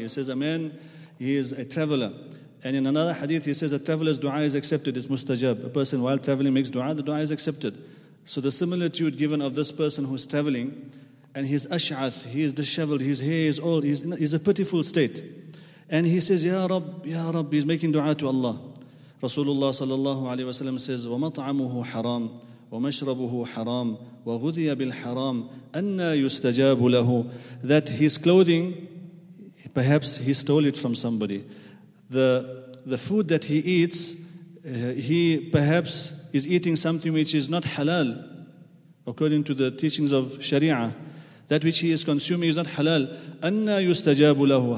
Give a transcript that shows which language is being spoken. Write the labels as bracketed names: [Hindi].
[English] He says, a man, he is a traveler. And in another hadith, he says, a traveler's dua is accepted, it's mustajab. A person while traveling makes dua, the dua is accepted. So the similitude given of this person who's traveling, and he's ash'ath, he is disheveled, his hair is old, he's a pitiful state. And he says, ya Rabb, he's making dua to Allah. Rasulullah sallallahu alayhi wa sallam says, [Arabic] وَمَطْعَمُهُ حَرَامٌ وَمَشْرَبُهُ حَرَامٌ وَغُذِيَ بِالْحَرَامِ أَنَّا يُسْتَجَابُ لَهُ. [English] That his clothing, perhaps he stole it from somebody. The food that he eats, he perhaps is eating something which is not halal, according to the teachings of Sharia. That which he is consuming is not halal. [Arabic] Anna yustajabu lahu.